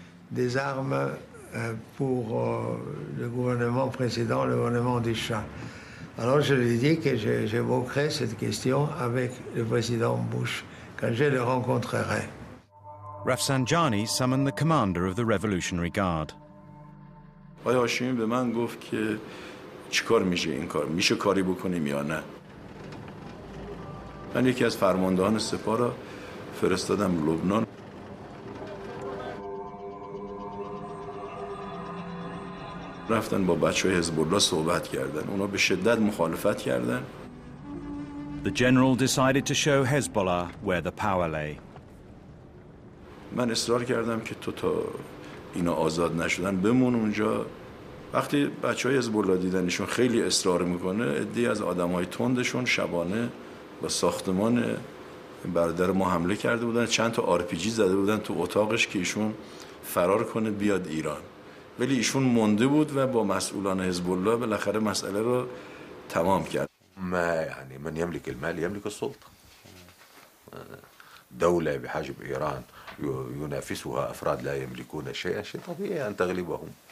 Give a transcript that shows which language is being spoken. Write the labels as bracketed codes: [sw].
[fr] Des armes pour le gouvernement précédent, le gouvernement du Shah. Alors je lui ai dit que j'évoquerai cette question avec le président Bush quand je le rencontrerai. [en] Rafsanjani summoned the commander of the Revolutionary Guard. [fa] آقای هاشمی به من گفت که چیکار میشه این کار؟ میشه کاری بکنیم یا نه؟ من یکی از فرماندهان سپاه را فرستادم لبنان. رفتن با بچه های حزب‌الله صحبت کردن. اونا به شدت مخالفت کردن. [en] The general decided to show Hezbollah where the power lay. [fa] من اصرار کردم که تو تا اینا آزاد نشدن بمون اونجا. وقتی بچه های حزب‌الله دیدنشون خیلی اصرار میکنه عده‌ای از آدم های تندشون شبانه با ساختمان برادر ما حمله کرده بودن. چند تا RPG زده بودن تو اتاقش که ایشون فرار کنه بیاد ایران. ولی ایشون مونده بود و با مسئولان حزب الله بالاخره مسئله رو تمام کرد. ما یعنی من [ar] یملک المال یملک السلطه. دوله بحجب ایران ينافسها افراد لا يملكون شيئا شيء طبيعي ان تغلبهم.